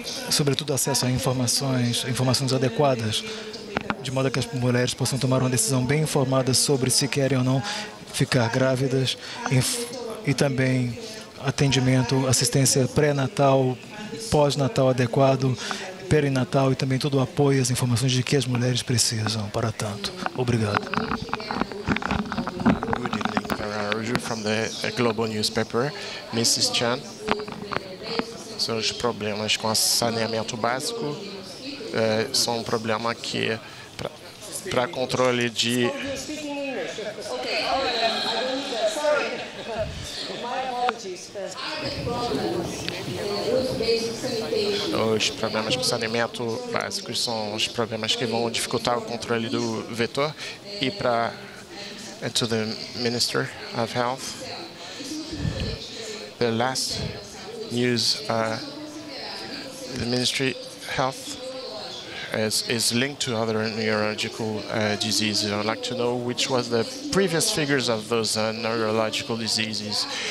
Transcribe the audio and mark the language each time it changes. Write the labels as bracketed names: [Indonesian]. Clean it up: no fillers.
[Portuguese] Sobretudo, acesso a informações adequadas, de modo que as mulheres possam tomar uma decisão bem informada sobre se querem ou não ficar grávidas e também atendimento, assistência pré-natal, pós-natal adequado, perinatal e também todo o apoio às informações de que as mulheres precisam para tanto. Obrigado. [English] Good evening, Araújo, from the Global Newspaper, Mrs. Chan. [Portuguese] São os problemas com saneamento básico, são um problema que para controle de... Os problemas com saneamento básico são os problemas que vão dificultar o controle do vetor. E para [English] to the Minister of Health, the last news, the Ministry of Health is linked to other neurological diseases. I'd like to know which was the previous figures of those neurological diseases.